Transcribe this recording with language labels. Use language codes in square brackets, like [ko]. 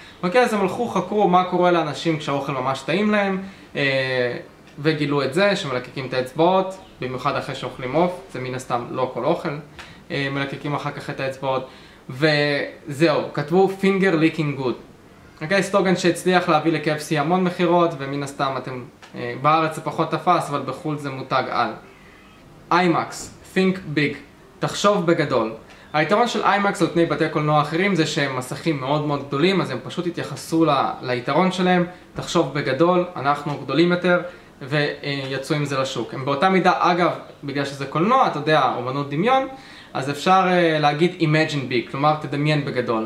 [he] אוקיי, אז הם הלכו, חקרו מה קורה לאנשים כשהאוכל ממש טעים להם, וגילו את זה שמלקקים את האצבעות, במיוחד אחרי שאוכלים עוף, זה מן הסתם לא כל אוכל, מלקקים אחר כך את האצבעות, וזהו, כתבו [en] finger licking good. [he] אוקיי, סטוגן שהצליח להביא לקפסי המון מחירות, ומן הסתם אתם בארץ זה פחות תפס, אבל בחול זה מותג על. [en] IMAX, think big, [he] תחשוב בגדול. היתרון של IMAX על פני בתי קולנוע אחרים זה שהם מסכים מאוד מאוד גדולים, אז הם פשוט התייחסו ליתרון שלהם, תחשוב בגדול, אנחנו גדולים יותר, ויצאו עם זה לשוק. הם באותה מידה, אגב, בגלל שזה קולנוע, אתה יודע, אומנות דמיון, אז אפשר להגיד [en] imagine big, [he] כלומר תדמיין בגדול.